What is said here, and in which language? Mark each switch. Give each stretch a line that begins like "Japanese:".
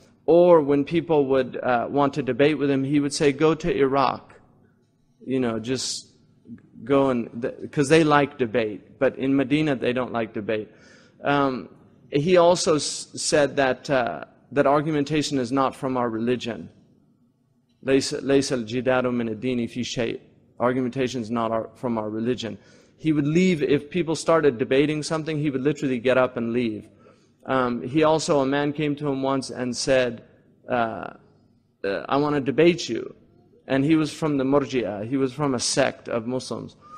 English: Or when people would want to debate with him, he would say, go to Iraq. You know, just go and, because they like debate. But in Medina, they don't like debate. He also said that that argumentation is not from our religion.
Arabic: ليس الجدار من الدين في شيء.
English: Argumentation is not from our religion. He would leave, if people started debating something, he would literally get up and leave. He also, a man came to him once and said, I want to debate you. And he was from the Murji'a, he was from a sect of Muslims.